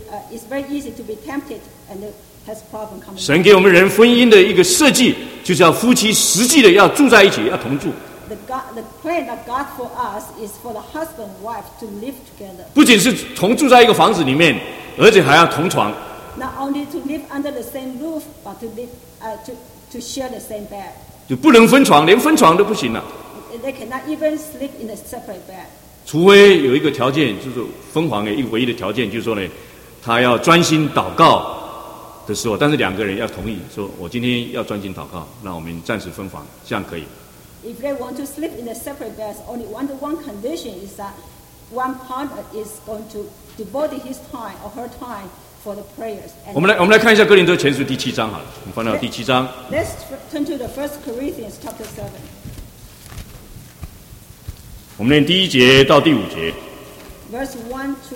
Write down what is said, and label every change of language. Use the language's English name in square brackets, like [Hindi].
[English] It's very easy to be tempted and has problem coming. [Chinese] 神给我们人婚姻的一个设计，就是要夫妻实际的要住在一起，要同住。 [English] The plan of God for us is for the husband and wife to live together. [Chinese] 不仅是同住在一个房子里面，而且还要同床。 [English] Not only to live under the same roof, but to live to share the same bed. [Chinese] 就不能分床，连分床都不行了。 [English] They cannot even sleep in a separate bed. [Chinese] 除非有一个条件，就是分房的一个唯一的条件，就是说呢，他要专心祷告的时候，但是两个人要同意，说我今天要专心祷告，那我们暂时分房，这样可以。 [English] If they want to sleep in a separate bed, only under one condition is that one partner is going to devote his time or her time for the prayers. [Chinese] 我们来看一下哥林多前书第七章好了，我们翻到第七章。 [English] Let's turn to the First Corinthians chapter 7. [Chinese] 我们念第一节到第五节。 [English] Verse 1-5.